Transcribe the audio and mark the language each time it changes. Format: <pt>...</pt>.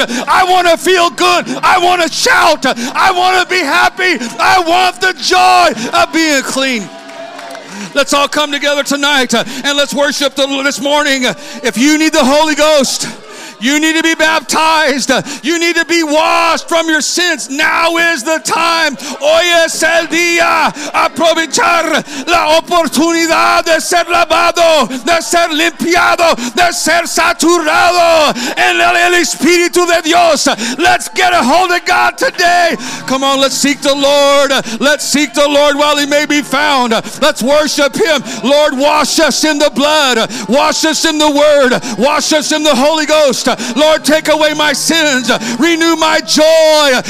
<en>I want to feel good. I want to shout. I want to be happy. I want the joy of being clean. Let's all come together tonight and let's worship the Lord this morning. If you need the Holy Ghost, you need to be baptized. You need to be washed from your sins. Now is the time.</en> <es>Hoy es el día. Aprovechar la oportunidad de ser lavado, de ser limpiado, de ser saturado en el Espíritu de Dios.</es> <en>Let's get a hold of God today. Come on, let's seek the Lord. Let's seek the Lord while he may be found. Let's worship him. Lord, wash us in the blood. Wash us in the word. Wash us in the Holy Ghost. Lord, take away my sins. Renew my joy.</en>